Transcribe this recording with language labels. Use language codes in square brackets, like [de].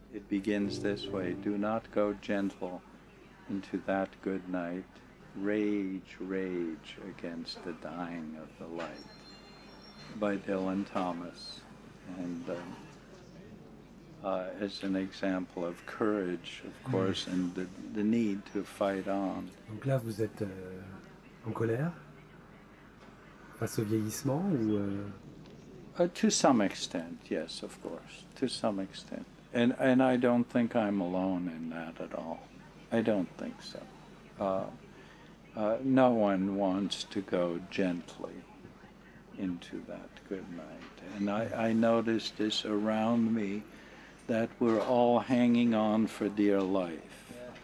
[en] Begins this way, do not go gentle into that good night. Rage, rage against the dying of the light. By Dylan Thomas. And as an example of courage, of course, and the need to fight on. [fr] Donc là, vous êtes en colère face au vieillissement ou [en] To some extent, yes, of course, to some extent. And I don't think I'm alone in that at all. I don't think so. No one wants to go gently into that good night. And I noticed this around me, that we're all hanging on for dear life.